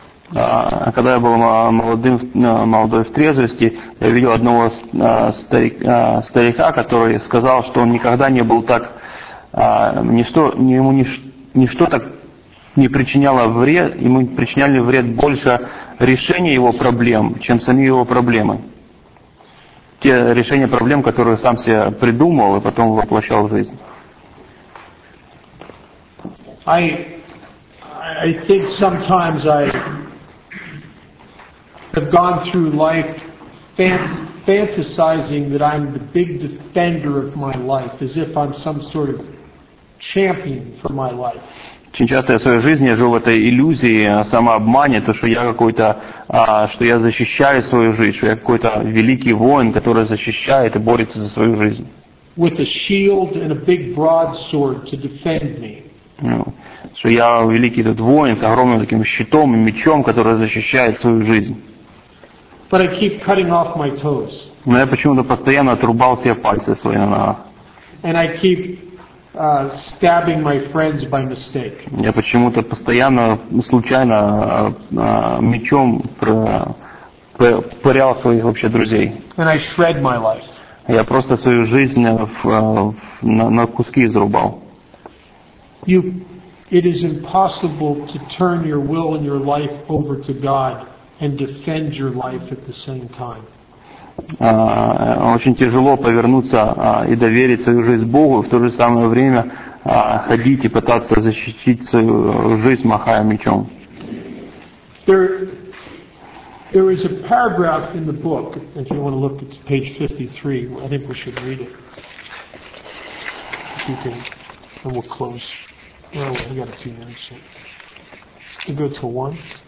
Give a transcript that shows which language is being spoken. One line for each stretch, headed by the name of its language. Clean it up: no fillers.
Russian: Когда я был молодой в трезвости, я видел одного старика, который сказал, что он никогда не был так, ему ничто так не причиняло вред, ему причиняли вред больше решения его проблем, чем сами его проблемы. Те решения проблем, которые сам себе придумал и потом воплощал в жизнь.
English: I think sometimes I've gone through life fantasizing that I'm the big defender of my life, as if I'm some sort of champion for my life.
Russian: Очень часто я в своей жизни жил в этой иллюзии, самообмане, то, что я какой-то, что я защищаю свою жизнь, что я какой-то великий воин, который защищает и борется за свою жизнь.
English: With a shield and a big broadsword to defend me.
Russian: Что я великий этот воин с огромным таким щитом и мечом, который защищает свою жизнь.
English: But I keep cutting off my toes.
Russian: Но я почему-то постоянно отрубал себе пальцы свои на ногах.
English: And I keep stabbing my friends by mistake.
Russian: Я почему-то постоянно случайно мечом пырял своих вообще друзей.
English: And I shred my life.
Russian: Я просто свою жизнь на куски изрубал.
English: It is impossible to turn your will and your life over to God and defend your life at the same time.
Russian: Очень тяжело повернуться и доверить свою жизнь Богу, в то же самое время ходить и пытаться защитить свою жизнь, махая мечом.
English: There is a paragraph in the book, if you want to look, it's page 53, I think we should read it. If you can, and we'll close. Well, we got a few minutes. So. We go to one.